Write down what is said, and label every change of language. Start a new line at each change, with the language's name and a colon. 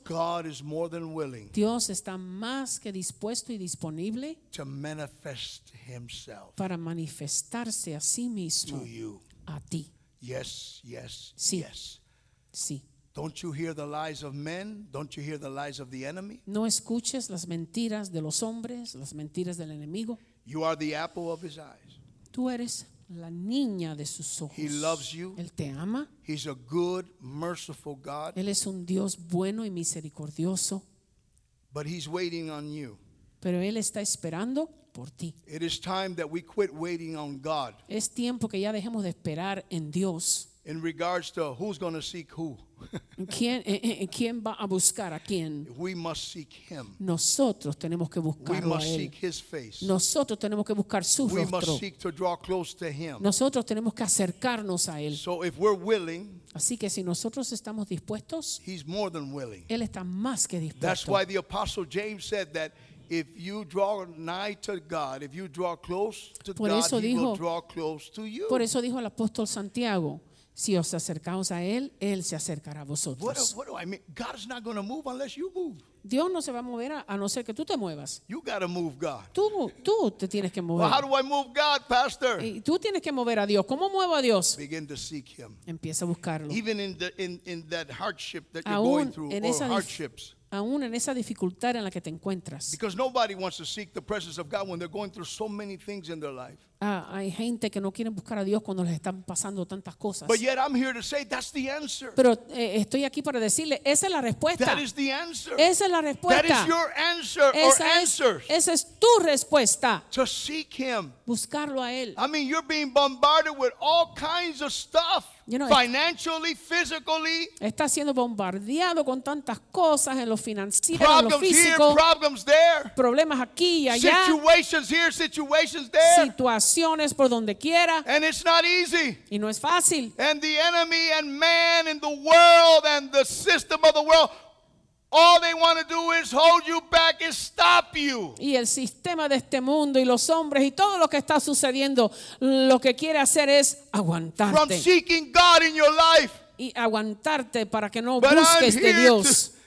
English: God is more than willing,
Spanish: Dios está más que dispuesto y disponible,
English: to manifest Himself,
Spanish: para manifestarse a sí mismo,
English: to you,
Spanish: a ti,
English: yes, yes,
Spanish: sí.
English: Yes,
Spanish: sí.
English: Don't you hear the lies of men? Don't you hear the lies of the enemy?
Spanish: No escuches las mentiras de los hombres, las mentiras del enemigo.
English: You are the apple of His eyes.
Spanish: Tú eres la niña de sus ojos.
English: He loves you.
Spanish: Él te ama.
English: He's a good, merciful God.
Spanish: Él es un Dios bueno y misericordioso.
English: But he's waiting on you.
Spanish: Pero él está esperando por ti.
English: It is time that we quit waiting on God.
Spanish: Es tiempo que ya dejemos de esperar en Dios.
English: In regards to who's going to seek who.
Spanish: ¿Quién va a buscar a quién?
English: We must seek Him.
Spanish: Nosotros tenemos que buscarlo a Él.
English: We must seek His face.
Spanish: Nosotros tenemos que buscar su rostro.
English: We must seek to draw close to Him.
Spanish: Nosotros tenemos que acercarnos a Él.
English: So if we're willing,
Spanish: así que si nosotros estamos dispuestos,
English: He's more than willing.
Spanish: Él está más que dispuesto.
English: That's why the Apostle James said that if you draw nigh to God, if you draw close to
Spanish: por
English: God,
Spanish: eso dijo,
English: He will draw close to you.
Spanish: Por eso dijo el apóstol Santiago, si os acercáis a Él, Él se acercará a vosotros.
English: What do I mean? God is not going to move unless you move.
Spanish: Dios no se va a mover a no ser que tú te muevas.
English: You got to move God.
Spanish: Tú te tienes que mover.
English: Well, how do I move God, Pastor?
Spanish: Y tú tienes que mover a Dios. ¿Cómo muevo a Dios?
English: Begin to seek Him.
Spanish: Empieza a buscarlo.
English: Even in that hardship that you're going through,
Spanish: en esa
English: or hardships.
Spanish: Aún en esa dificultad en la que te encuentras.
English: Because nobody wants to seek the presence of God when they're going through so many things in their life.
Spanish: Hay gente que no quiere buscar a Dios cuando les están pasando tantas cosas.
English: But yet I'm here to say that's the answer.
Spanish: Pero estoy aquí para decirle, esa es la respuesta.
English: That is the answer.
Spanish: Esa es la respuesta.
English: That is your answer or answers.
Spanish: Esa es tu respuesta.
English: To seek Him.
Spanish: Buscarlo a Él.
English: I mean, you're being bombarded with all kinds of stuff. you know, financially, physically.
Spanish: Está siendo bombardeado con tantas cosas en lo financiero,
English: problems
Spanish: en lo físico.
English: Here, problems there.
Spanish: Problemas aquí y allá.
English: Situations here, situations there.
Spanish: Situaciones por donde quiera.
English: And it's not easy.
Spanish: Y no es fácil.
English: And the enemy and man in the world and the system of the world, all they want to do is hold you back and stop you.
Spanish: Y el sistema de este mundo y los hombres y todo lo que está sucediendo, lo que quiere hacer es aguantarte.
English: From seeking God in your life.
Spanish: Y aguantarte para que no busques de Dios.